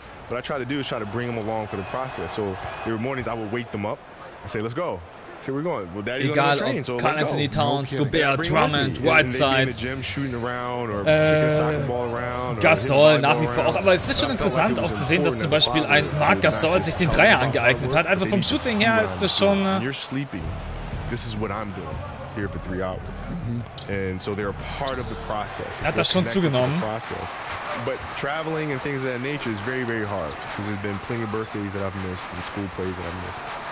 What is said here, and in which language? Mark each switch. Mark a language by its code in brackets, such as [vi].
[en] What I try to do is try to bring them along for the process. So there were mornings I would wake them up and say, let's go. Here we're going. Well, Daddy's [de] egal, [en] on the train, [de] ob Carl Anthony Towns, Gobert, Drummond, Whiteside, Gasol nach wie vor auch. Aber es ist schon interessant auch zu sehen, dass zum Beispiel ein Marc Gasol sich den Dreier angeeignet hat. Also vom Shooting her ist es schon... [en] You're sleeping. This is what I'm doing here for 3 hours. And so they're a part of the process. [de] Hat das schon zugenommen. [en] But traveling and things of that nature is very, very hard. Because there's been plenty of birthdays that I've missed and school plays that I've missed.